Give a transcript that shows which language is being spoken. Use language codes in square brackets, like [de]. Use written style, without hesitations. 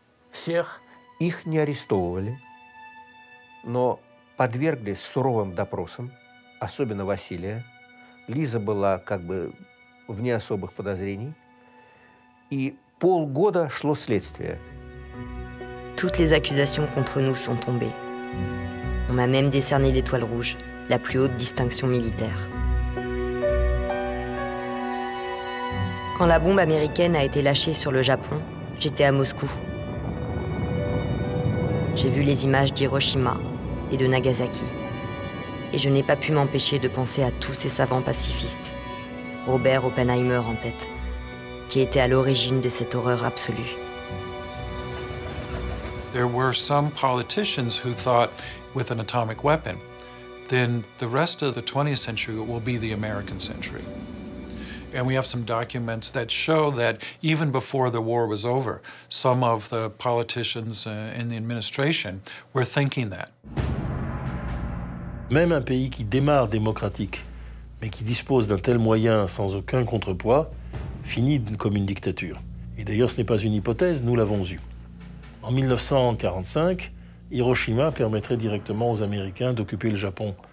[ru] Всех. Их не арестовывали, но подвергли суровым допросам, особенно Василия. Лиза была как бы вне особых подозрений. И полгода шло следствие. [fr] Toutes les accusations contre nous sont tombées. On m'a même décerné l'étoile rouge, la plus haute distinction militaire. Quand la bombe américaine a été lâchée sur le Japon, j'étais à Moscou. J'ai vu les images d'Hiroshima et de Nagasaki. Et je n'ai pas pu m'empêcher de penser à tous ces savants pacifistes, Robert Oppenheimer en tête, qui était à l'origine de cette horreur absolue. [en] There were some politicians who thought with an atomic weapon, then the rest of the 20th century will be the American century. And we have some documents that show that even before the war was over, some of the politicians in the administration were thinking that. [fr] Même un pays qui démarre démocratique, mais qui dispose d'un tel moyen sans aucun contrepoids, finit comme une dictature. Et d'ailleurs, ce n'est pas une hypothèse, nous l'avons eu. En 1945, Hiroshima permettrait directement aux Américains d'occuper le Japon.